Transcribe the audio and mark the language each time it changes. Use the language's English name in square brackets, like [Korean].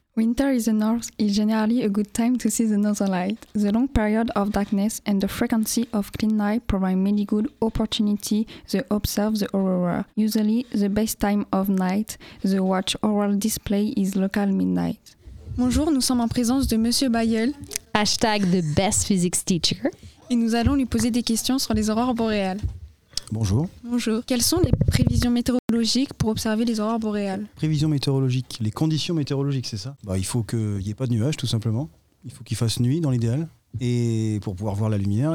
[English] Winter in the north is generally a good time to see the northern light. The long period of darkness and the frequency of clear night provide many good opportunities to observe the aurora. Usually, the best time of night, the watch aural display is local midnight. [French] Bonjour, nous sommes en présence de Monsieur Bayel. [English] Hashtag the best physics teacher. [French] Et nous allons lui poser des questions sur les aurores boréales. Bonjour. Bonjour. Quelles sont les prévisions météorologiques pour observer les aurores boréales ? Prévisions météorologiques, les conditions météorologiques, c'est ça ? Bah, il faut qu'il n'y ait pas de nuages, tout simplement. Il faut qu'il fasse nuit, dans l'idéal, et pour pouvoir voir la lumière.